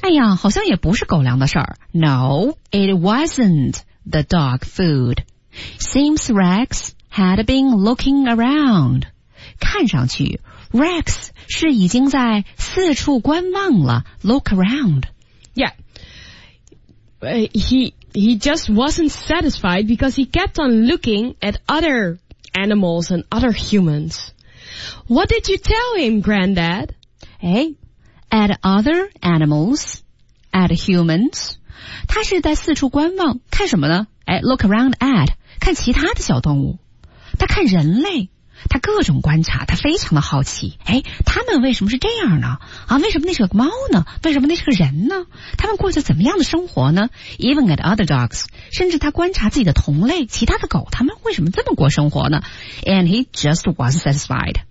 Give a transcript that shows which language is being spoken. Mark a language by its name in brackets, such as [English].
[Chinese] 哎呀，好像也不是狗粮的事儿。 [English] No, it wasn't the dog food. Seems Rex had been looking around. [Chinese] 看上去 Rex 是已经在四处观望了。 [English] Look around. Yeah, he just wasn't satisfied because he kept on looking at other animals and other humans. What did you tell him, Granddad? Hey, at other animals, at humans. [Chinese] 他是在四处观望，看什么呢？哎 ， [English] look around at， [Chinese] 看其他的小动物。他看人类，他各种观察，他非常的好奇。哎，他们为什么是这样呢？啊，为什么那是个猫呢？为什么那是个人呢？他们过着怎么样的生活呢 ？ [English] Even at other dogs， [Chinese] 甚至他观察自己的同类，其他的狗，他们为什么这么过生活呢 ？ [English] And he just wasn't satisfied。